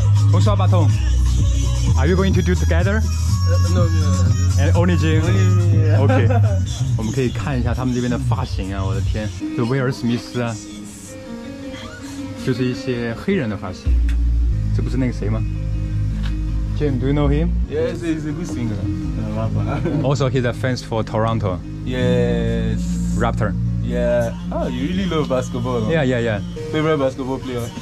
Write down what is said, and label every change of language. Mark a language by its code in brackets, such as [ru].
[en] 红烧巴通 ，Are you going to do together？ No. Only Jim. Only me. [zh] OK， 我们可以看一下他们这边的发型啊，我的天，这威尔史密斯啊。就是一些黑人的发型，这不是那个谁吗 ？ [en] Jim, do you know him? Yes, he's a good singer. Also, he's a fan for Toronto. Yes. Raptor. Yeah. Oh, you really love basketball.、 Huh? Yeah. Favorite basketball player?